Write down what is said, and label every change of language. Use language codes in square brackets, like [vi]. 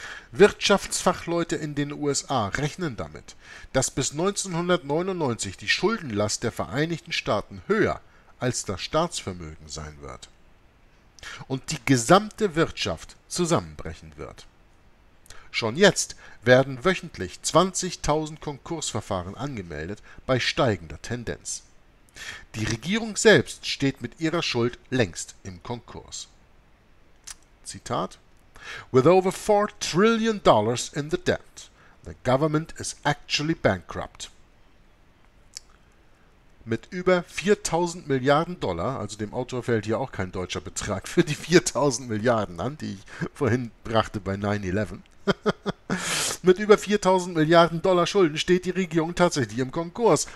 [de] Wirtschaftsfachleute in den USA rechnen damit, dass bis 1999 die Schuldenlast der Vereinigten Staaten höher als das Staatsvermögen sein wird und die gesamte Wirtschaft zusammenbrechen wird. Schon jetzt werden wöchentlich 20.000 Konkursverfahren angemeldet bei steigender Tendenz. Die Regierung selbst steht mit ihrer Schuld längst im Konkurs. [en] Zitat: With over $4 trillion in the debt, the government is actually bankrupt. [de] Mit über 4.000 Milliarden Dollar, also dem Autor fällt hier auch kein deutscher Betrag für die 4.000 Milliarden an, die ich vorhin brachte bei 9-11. Mit über 4.000 Milliarden Dollar Schulden steht die Regierung tatsächlich im Konkurs.